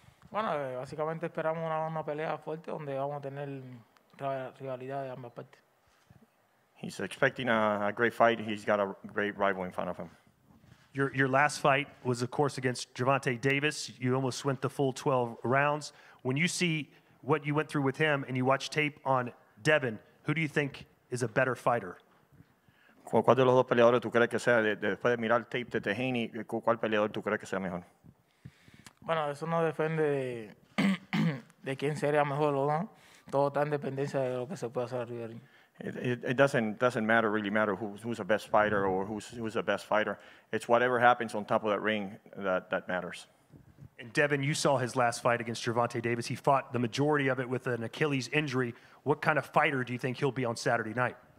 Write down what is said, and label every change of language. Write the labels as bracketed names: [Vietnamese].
[Spanish] Bueno, básicamente esperamos una pelea fuerte donde vamos a tener rivalidad de ambas partes. [English] He's expecting a great fight. He's got a great rival in front of him. Your last fight was, of course, against Gervonta Davis. You almost went the full 12 rounds. When you see what you went through with him and you watch tape on Devin, who do you think is a better fighter? [Spanish] ¿Cuál de los dos peleadores tú crees que sea? Después de mirar tape de Tejani, ¿cuál peleador tú crees que sea mejor? Bueno, eso no depende de quién sería mejor o no. Todo está en dependencia de lo que se puede hacer arriba del ring. [English] It doesn't matter, really matter who's the best fighter or who's the best fighter. It's whatever happens on top of that ring that matters. And Devin, you saw his last fight against Gervonta Davis. He fought the majority of it with an Achilles injury. What kind of fighter do you think he'll be on Saturday night?